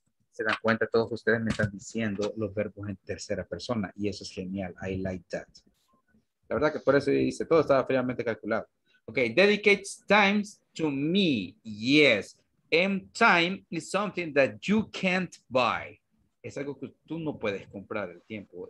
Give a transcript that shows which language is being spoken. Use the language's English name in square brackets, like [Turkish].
[Spanish] Se dan cuenta, todos ustedes me están diciendo los verbos en tercera persona. Y eso es genial. [English] I like that. [Spanish] La verdad que por eso dice, todo estaba fríamente calculado. [English] Okay, dedicates time to me. Yes. And time is something that you can't buy. [Spanish] Es algo que tú no puedes comprar el tiempo.